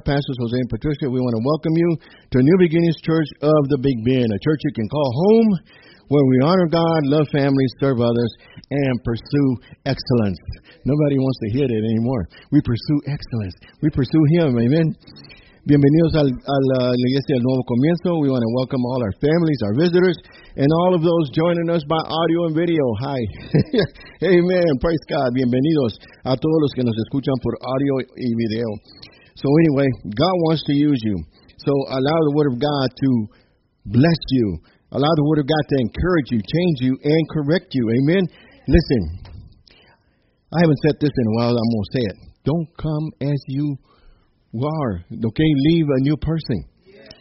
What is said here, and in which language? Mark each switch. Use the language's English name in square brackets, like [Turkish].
[English] Pastors Jose and Patricia, we want to welcome you to New Beginnings Church of the Big Bend, a church you can call home, where we honor God, love families, serve others, and pursue excellence. Nobody wants to hear that anymore. We pursue excellence. We pursue Him. Amen. [Spanish] Bienvenidos a la Iglesia del Nuevo Comienzo. [English] We want to welcome all our families, our visitors, and all of those joining us by audio and video. Hi. Amen. Praise God. [Spanish] Bienvenidos a todos los que nos escuchan por audio y video. [English] So anyway, God wants to use you. So allow the Word of God to bless you. Allow the Word of God to encourage you, change you, and correct you. Amen. Listen, I haven't said this in a while. I'm going to say it. Don't come as you are. Okay? Leave a new person. Yes.